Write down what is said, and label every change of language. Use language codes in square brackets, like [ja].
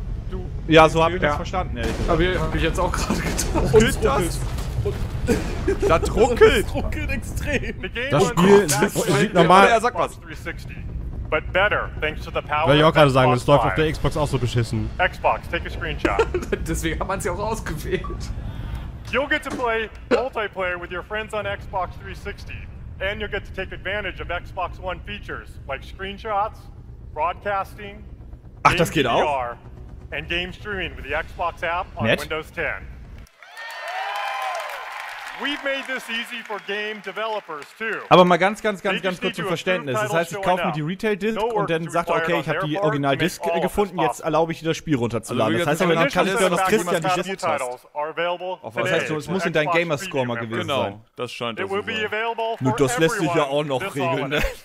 [de] Du, ja, so habe ich das verstanden, ehrlich gesagt. Aber hab ich jetzt auch gerade getan. Und ruckelt das? Da druckelt! Das druckelt extrem! Das Spiel sieht normal... Er sagt was. [en] But better, thanks to the power [de] Würde ich auch gerade sagen, das läuft auf der Xbox auch so beschissen. [en] Xbox, take a screenshot. [de] Deswegen hat man sie auch ausgewählt. [en] You'll get to play multiplayer with your friends on Xbox 360. And you'll get to take advantage of Xbox One features like screenshots, broadcasting, [de] Ach, das geht auch? [en] And game streaming with the Xbox app on Net? Windows 10. We've made this easy for game developers too. [de] Aber mal ganz kurz zum Verständnis. Das heißt, ich kaufe mir die Retail-Disc und dann sagt er, okay, ich habe die Original-Disc gefunden, jetzt erlaube ich dir das Spiel runterzuladen. Das heißt aber, dann kannst du ja noch Christian die Disc testen. Das heißt, es muss in deinem Gamerscore gewesen sein. Genau, das scheint auch so zu sein. Nun, das lässt sich ja auch noch regeln.